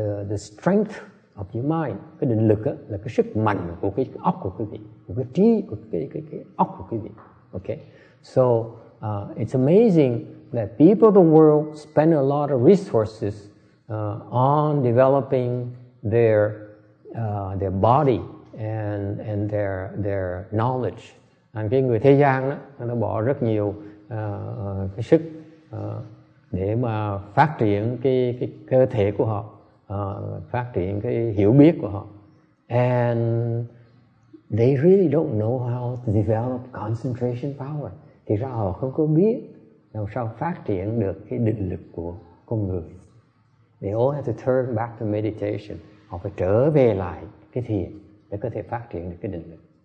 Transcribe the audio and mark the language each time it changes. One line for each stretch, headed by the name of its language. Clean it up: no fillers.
English: The strength of your mind.
Vietnamese: Cái định lực á, là cái sức mạnh của cái óc của quý vị, của cái trí của cái óc của quý vị.
English: Okay. So it's amazing that people of the world spend a lot of resources on developing their body and their knowledge.
Vietnamese: And cái người thế gian đó, nó bỏ rất nhiều cái sức để mà phát triển cái cơ thể của họ, phát triển cái hiểu biết của họ.
English: And they really don't know how to develop concentration power.
Vietnamese: Thì ra họ không có biết làm sao phát triển được cái định lực của con người.
English: They all have to turn back to meditation.
Vietnamese: Họ phải trở về lại cái thiền để có thể phát triển được cái định lực.